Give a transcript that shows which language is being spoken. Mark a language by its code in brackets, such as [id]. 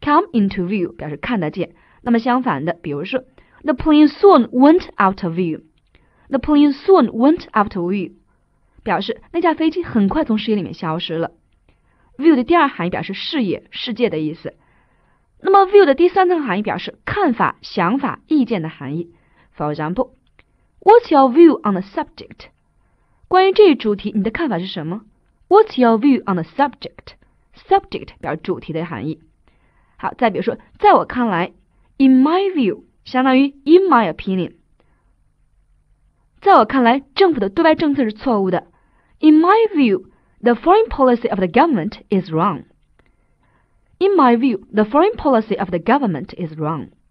[en] Come into view [zh] 表示看得见。那么相反的，比如说 [en] the plane soon went out of view. The plane soon went out of view， [zh] 表示那架飞机很快从视野里面消失了。 view 的第二含义表示视野、世界的意思。那么 view 的第三层含义表示看法、想法、意见的含义。 [en] For example, What's your view on the subject? [zh] 关于这一主题，你的看法是什么 ？ [en] What's your view on the subject? [zh] Subject 表示主题的含义。好，再比如说，在我看来 ，In my view， 相当于 In my opinion。在我看来，政府的对外政策是错误的。 [en] In my view, the foreign policy of the government is wrong. In my view, the foreign policy of the government is wrong.